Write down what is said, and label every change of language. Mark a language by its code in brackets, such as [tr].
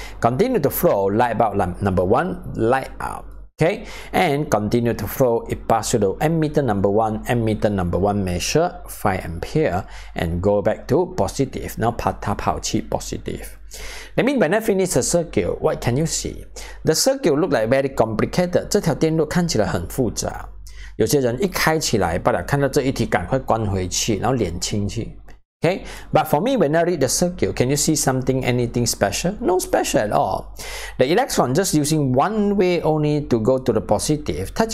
[en] Continue to flow, light bulb number 1, light up. Okay, and continue to flow, it pass the ammeter number 1. Ammeter number 1 measure 5 ampere and go back to positive. Now, [zh] 它跑去 [en] positive. I mean, when I finish the circuit, what can you see? The circuit looks like very complicated. [zh] 这条电路看起来很复杂.有些人一开起来，把它看到这一题，赶快关回去，然后脸清去。 [en] Okay, but for me, when I read the circuit, can you see something, anything special? No special at all. The electron just using one way only to go to the positive.